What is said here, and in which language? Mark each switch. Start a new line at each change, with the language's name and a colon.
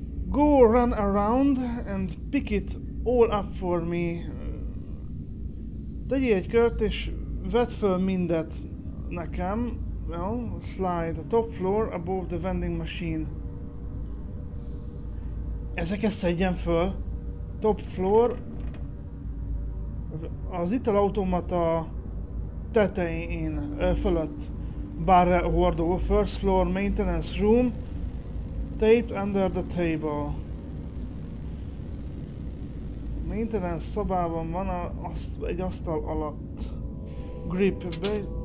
English: Go run around and pick it all up for me.
Hungarian: Tegyél egy kört és vedd fel mindet nekem.
English: Well, slide the top floor above the vending machine.
Hungarian: Ezeket szedjen föl.
English: Top floor.
Hungarian: Az italautomata tetején, fölött.
English: Barrel hordó. First floor maintenance room. Taped under the table.
Hungarian: Maintenance szobában van egy asztal alatt. Grip be.